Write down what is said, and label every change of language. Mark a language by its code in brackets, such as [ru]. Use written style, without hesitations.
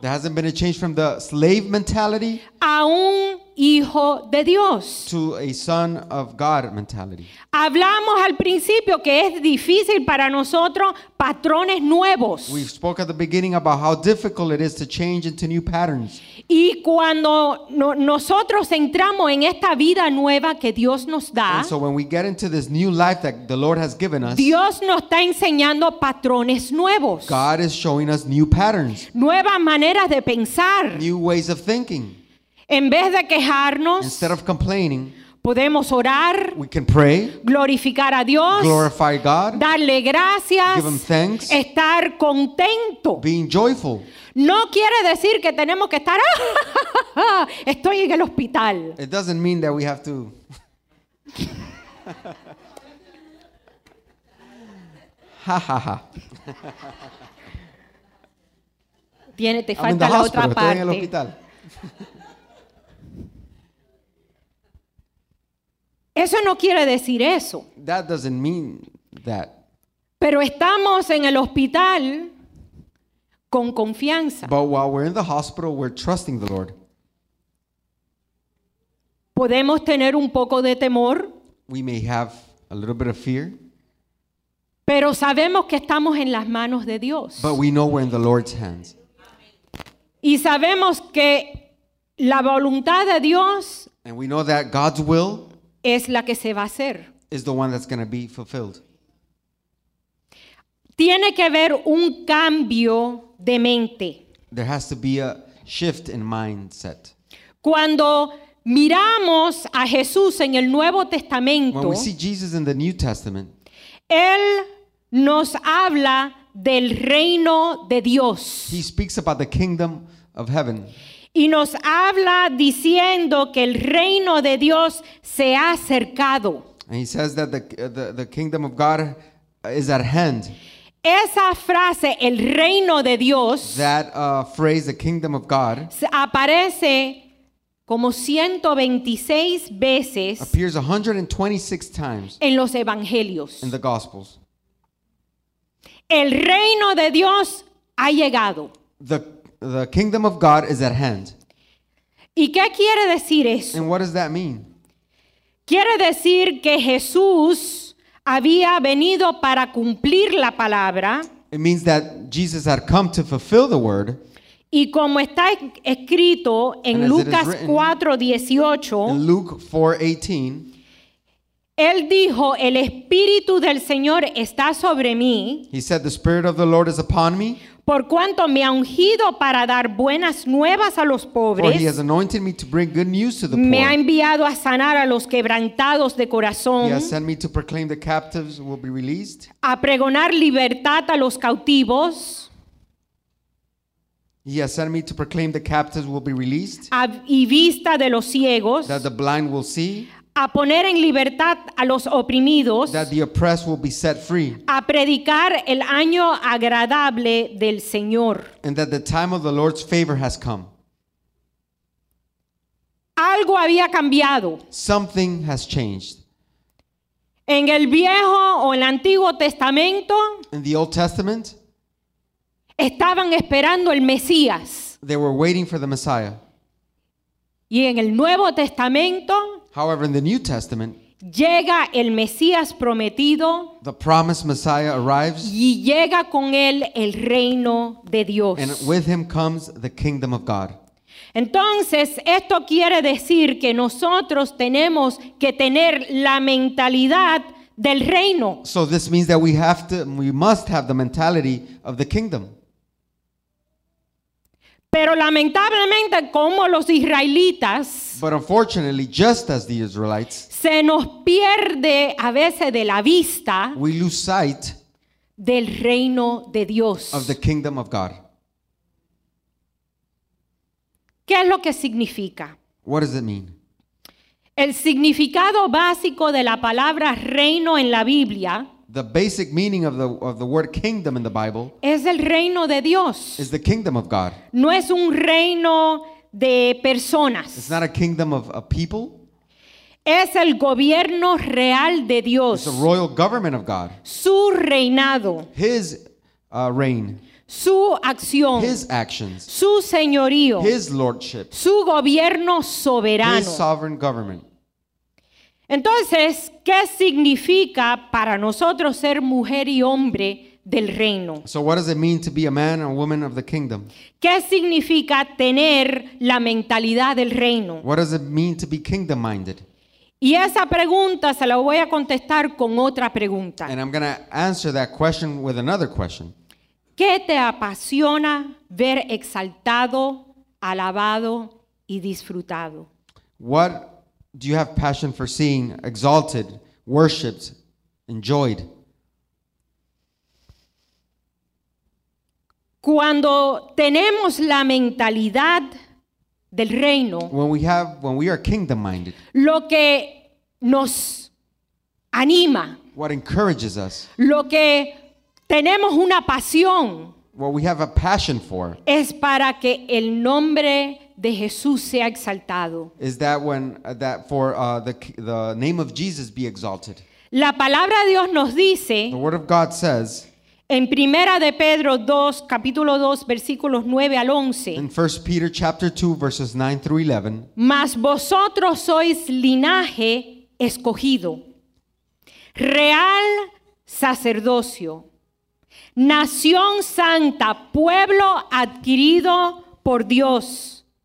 [en] There hasn't been a change from the slave mentality. [es] A un hijo de Dios. [en] To a son of God mentality. [es] Hablamos al principio que es difícil para nosotros patrones nuevos. [en] We spoke at the beginning about how difficult it is to change into new patterns. [es] Y cuando nosotros entramos en esta vida nueva que Dios nos da. [en] And so when we get into this new life that the Lord has given us. [es] Dios nos está enseñando patrones nuevos. [en] God is showing us new patterns. [es] Nuevas maneras de pensar. [en] New ways of thinking. [es] En vez de quejarnos, [en] instead of complaining, [es] podemos orar, [en] we can pray, [es] glorificar a Dios, [en] glorify God, [es] darle gracias, [en] give him thanks, [es] estar contento, [en] being joyful. [es] No quiere decir que tenemos que estar estoy en el hospital. [en] It doesn't mean that we have to [es] Tiene te falta la otra parte. Estoy en el hospital. Eso no quiere decir eso. [en] That doesn't mean that. [es] Pero estamos en el hospital con confianza. [en] But while we're in the hospital, we're trusting the Lord. [es] Podemos tener un poco de temor. [en] We may have a little bit of fear. [es] Pero sabemos que estamos en las manos de Dios. [en] But we know we're in the Lord's hands. [es] Y sabemos que la voluntad de Dios. [en] And we know that God's will. [es] Es la que se va a hacer. [en] Is the one that's going to be fulfilled. [es] Tiene que haber un cambio de mente. [en] There has to be a shift in mindset. [es] Cuando miramos a Jesús en el Nuevo Testamento, [en] when we see Jesus in the New Testament, [es] Él nos habla del reino de Dios. [en] He speaks about the kingdom of heaven. [es] Y nos habla diciendo que el reino de Dios se ha acercado. [en] And he says that the kingdom of God is at hand. [es] Esa frase, el reino de Dios, [en] that phrase, the kingdom of God, [es] aparece como 126 veces, [en] appears 126 times, [es] en los evangelios. [en] In the gospels. [es] El reino de Dios ha llegado. [en] The kingdom of God is at hand. [es] ¿Y qué quiere decir eso? [en] And what does that mean? [es] Quiere decir que Jesús había venido para cumplir la palabra. [en] It means that Jesus had come to fulfill the word. [es] Y como está escrito en Lucas 4:18, [en] in Luke 4:18, [es] Él dijo, el Espíritu del Señor está sobre mí. [en] He said, the Spirit of the Lord is upon me. [es] Por cuanto me ha ungido para dar buenas nuevas a los pobres. [en] For he has anointed me to bring good news to the poor. [es] Me ha enviado a sanar a los quebrantados de corazón. [en] He has sent me to proclaim the captives will be released. [es] A pregonar libertad a los cautivos. [en] He has sent me to proclaim the captives will be released. [es] A, y vista de los ciegos. [en] That the blind will see. [es] A poner en libertad a los oprimidos. [en] That the oppressed will be set free. [es] A predicar el año agradable del Señor. [en] And that the time of the Lord's favor has come. [es] Algo había cambiado. [en] Something has changed. [es] En el Viejo o el Antiguo Testamento. [en] In the Old Testament. [es] Estaban esperando el Mesías. [en] They were waiting for the Messiah. [es] Y en el Nuevo Testamento. [en] However, in the New Testament, [es] Llega el Mesías prometido. [en] The promised Messiah arrives. [es] Y llega con él el reino de Dios. [en] And with him comes the kingdom of God. [es] Entonces, esto quiere decir que nosotros tenemos que tener la mentalidad del reino. [en] So this means that we must have the mentality of the kingdom. [es] Pero lamentablemente, como los israelitas, [en] but unfortunately, just as the Israelites, [es] se nos pierde a veces de la vista, [en] we lose sight [es] del reino de Dios, [en] of the kingdom of God. [es] ¿Qué es lo que significa? [en] What does it mean? [es] El significado básico de la palabra reino en la Biblia, [en] the basic meaning of the word kingdom in the Bible, [es] es el reino de Dios. [en] Is the kingdom of God. [es] No es un reino de personas. [en] It's not a kingdom of a people. [es] Es el gobierno real de Dios. [en] It's the royal government of God. [es] Su reinado. [en] His reign. [es] Su acción. [en] His actions. [es] Su señorío. [en] His lordship. [es] Su gobierno soberano. [en] His sovereign government. [es] Entonces, ¿qué significa para nosotros ser mujer y hombre del reino? [en] So what does it mean to be a man or a woman of the kingdom? [es] ¿Qué significa tener la mentalidad del reino? [en] What does it mean to be kingdom-minded? [es] Y esa pregunta se la voy a contestar con otra pregunta. [en] And I'm going to answer that question with another question. [es] ¿Qué te apasiona ver exaltado, alabado y disfrutado? [en] What do you have passion for seeing exalted, worshipped, enjoyed? [es] Cuando tenemos la mentalidad del reino, [en] when we are kingdom-minded, [es] lo que nos anima, [en] what encourages us, [es] lo que tenemos una pasión, [en] what we have a passion for, [es] es para que el nombre de Jesús sea exaltado. [en] Is that when that for the name of Jesus be exalted? [es] La palabra de Dios nos dice, [en] the word of God says, [es] en Primera de Pedro 2, capítulo 2, versículos 9 al 11, [en] in 1 Peter chapter 2, verses 9 through 11, [es] mas vosotros sois linaje escogido, real sacerdocio, nación santa, pueblo adquirido por Dios.